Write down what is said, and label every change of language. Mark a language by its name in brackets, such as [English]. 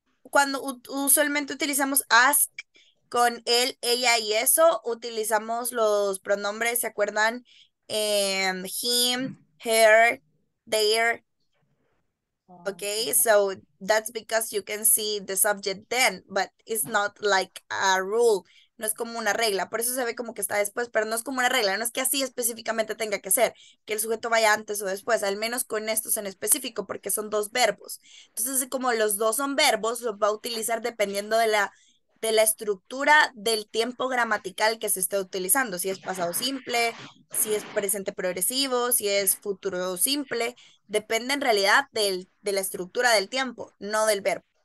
[Spanish] Cuando usualmente utilizamos ask. Con él, ella y eso utilizamos los pronombres, ¿se acuerdan? [English] Him, her, their. Ok, so that's because you can see the subject then, but it's not like a rule. [Spanish] No es como una regla. Por eso se ve como que está después, pero no es como una regla. No es que así específicamente tenga que ser, que el sujeto vaya antes o después, al menos con estos en específico, porque son dos verbos. Entonces, como los dos son verbos, los va a utilizar dependiendo de la estructura del tiempo gramatical que se esté utilizando, si es pasado simple, si es presente progresivo, si es futuro simple, depende en realidad de la estructura del tiempo, no del verbo.